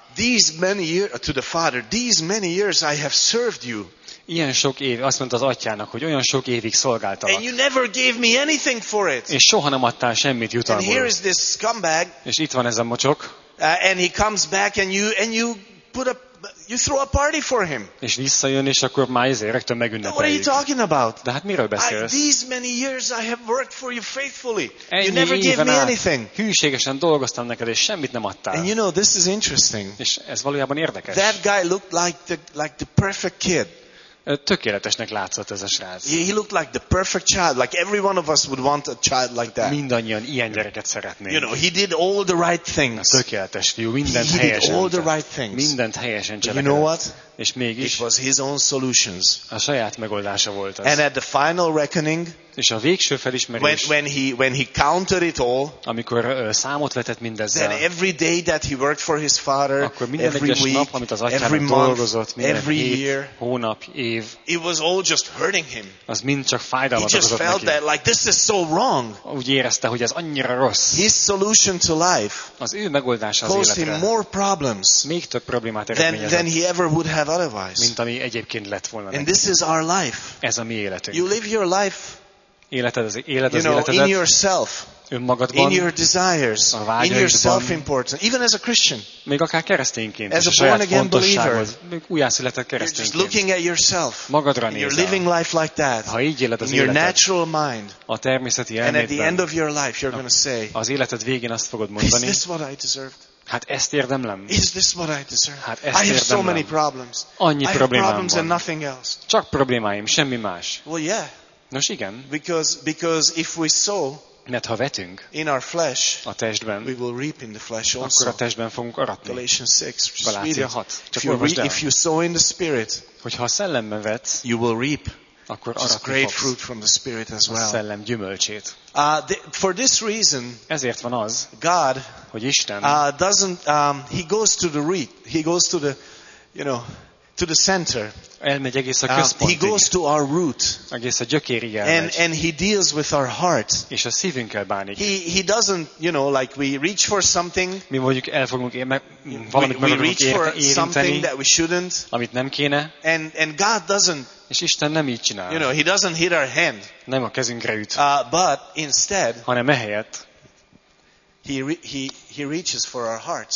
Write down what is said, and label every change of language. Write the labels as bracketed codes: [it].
[en] these many years to the father, these many years I have served you. [hu] Ilyen sok év, azt mondta az atyának, hogy olyan sok évig szolgáltalak. [en] And you never gave me anything for it. [hu] És soha nem adtál semmit jutalmul. [en] And here is this scumbag. [hu] És itt van ez a mocsok. [en] And he comes back and you throw a party for him. [hu] És visszajön, és akkor már ezért rögtön megünnepeljük. [en] What are you talking about? [hu] De hát miről beszélsz? [en] These many years I have worked for you faithfully. You never gave me anything. [hu] Hűségesen dolgoztam neked, és semmit nem adtál. [en] And you know, this is interesting. [hu] És ez valójában érdekes. [en] That guy looked like the perfect kid. [hu] Tökéletesnek látszott ez a srác. [en] Yeah, he looked like the perfect child, like every one of us would want a child like that. [hu] Mindannyian ilyen gyereket szeretnénk. [en] You know, he did all the right things. [hu] Tökéletes fiú, mindent helyesen. [en] He did all the right things. [hu] Mindent helyesen cselekedett. [en] You know what? [hu] és mégis [en] it was his own solutions. [hu] A saját megoldása volt az. [en] And at the final reckoning, [hu] és a végső felismerés, [en] when he counted it all, [hu] amikor számot vetett mindezzel, [en] then every day that he worked for his father, [hu] akkor minden [en] every [hu] egyes [en] week, [hu] nap, amit az atyának dolgozott, minden [en] every [hu] hét, [en] year, [hu] hónap, év, [en] it was all just hurting him. [hu] Az mind csak fájdalmat okozott neki. [en] He just felt that like this is so wrong. [hu] Úgy érezte, hogy ez annyira rossz. [en] His solution to life, [hu] az ő megoldása az életre, [en] more problems, [hu] még több problémát eredményezett, [en] than he ever would have otherwise. [hu] Mint ami egyébként lett volna neki. [en] And this is our life. [hu] Ez a mi életünk. [en] You live your life. [hu] Életed az életedet. [en] You know, in yourself, [hu] önmagadban, [en] in your desires, in your self-importance, even as a Christian, [hu] még akár kereszténként, [en] as a born-again believer, [hu] még újjászületett kereszténként, [en] just looking at yourself, [hu] magadra nézel, [en] you're living life like that, [hu] ha így éled az életed, [en] your natural mind, [hu] a természeti elmédben, [en] and at the end of your life, you're going to say, [hu] az életed végén azt fogod mondani, [en] is this what I deserved? [hu] Hát ezt érdemlem. [en] Is this what I deserve? [hu] Hát ezt érdemlem. [en] I have so many problems. [hu] Annyi problémám van. [en] I have problems and nothing else. [hu] Csak problémáim, semmi más. [en] Well, yeah. [hu] Nos, igen. [en] Because if we sow, [hu] mert ha vetünk, [en] in our flesh, [hu] a testben, [en] we will reap in the flesh also. [hu] Akkor a testben fogunk aratni. [en] Galatians 6, [hu] Galátia 6. [en] If you sow in the spirit, [hu] hogyha a szellemben vetsz, [en] you will reap, [hu] akkor aratni fogsz. [en] Great fruit from the spirit as well. [hu] A szellem gyümölcsét. [en] For this reason, [hu] ezért van az, [en] God, [hu] hogy Isten, [en] he goes to the root, he goes to the, you know, to the center. [hu] Elmegy egész a központig. [en] He goes to our root. [hu] Egész a gyökérig elmegy. [en] And he deals with our heart. [hu] És a szívünkkel bánik. [en] He doesn't, you know, like we reach for something. [hu] Mi mondjuk elfogunk érinteni, amit nem kéne. [en] And God doesn't, [hu] és Isten nem így csinál. [en] You know, he doesn't hit our hand. [hu] Nem a kezünkre üt. [en] But instead, [hu] hanem ehelyett, [en] He reaches for our hearts.